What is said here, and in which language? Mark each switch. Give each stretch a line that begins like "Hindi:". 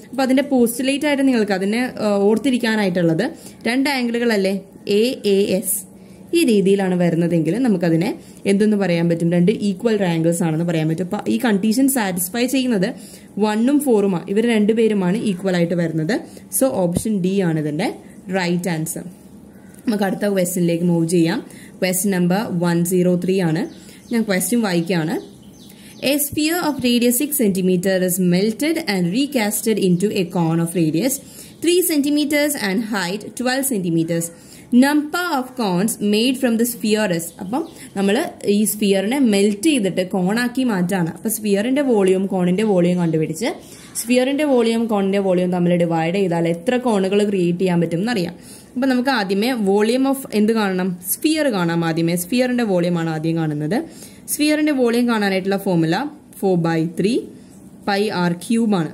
Malayalam: അപ്പൊ അതിന്റെ പോസ്റ്റുലേറ്റ് ആയിട്ട് നിങ്ങൾക്ക് അതിനെ ഓർത്തിരിക്കാനായിട്ടുള്ളത് രണ്ട് ആംഗിളുകളല്ലേ, AAS ഈ രീതിയിലാണ് വരുന്നതെങ്കിൽ നമുക്കതിനെ എന്തെന്ന് പറയാൻ പറ്റും, രണ്ട് ഈക്വൽ ട്രയാംഗിൾസ് ആണെന്ന് പറയാൻ പറ്റും. അപ്പൊ ഈ കണ്ടീഷൻ സാറ്റിസ്ഫൈ ചെയ്യുന്നത് 1 ഉം 4 ഉം ഇവർ രണ്ടുപേരുമാണ് ഈക്വൽ ആയിട്ട് വരുന്നത്. സോ ഓപ്ഷൻ ഡി ആണ് ഇതിന്റെ റൈറ്റ് ആൻസർ. നമുക്ക് അടുത്ത ക്വസ്റ്റ്യനിലേക്ക് മൂവ് ചെയ്യാം. ക്വസ്റ്റ്യൻ നമ്പർ 103 ആണ്. ഞാൻ ക്വസ്റ്റ്യൻ വായിക്കുകയാണ്.
English: A sphere of radius 6 cm is melted and recasted into a cone of radius 3 cm and height 12 cm. Number of cones made from the sphere is.
Malayalam: അപ്പം നമ്മൾ ഈ സ്ഫിയറിനെ മെൽറ്റ് ചെയ്തിട്ട് കോണാക്കി മാറ്റാണ്. അപ്പൊ സ്ഫിയറിന്റെ volume കോണിന്റെ volume കണ്ടുപിടിച്ച് സ്ഫിയറിന്റെ വോളിയൂം കോണിന്റെ volume തമ്മിൽ divide ചെയ്താൽ എത്ര കോണുകൾ ക്രിയേറ്റ് ചെയ്യാൻ പറ്റും എന്നറിയാം. അപ്പൊ നമുക്ക് ആദ്യമേ വോളിയം ഓഫ് എന്ത് കാണണം, സ്ഫിയർ കാണാം. ആദ്യമേ സ്ഫിയറിന്റെ വോളിയം ആണ് ആദ്യം കാണുന്നത്. സ്ഫിയറിന്റെ വോളിയം കാണാനായിട്ടുള്ള ഫോർമുല 4/3 πr³ ആണ്.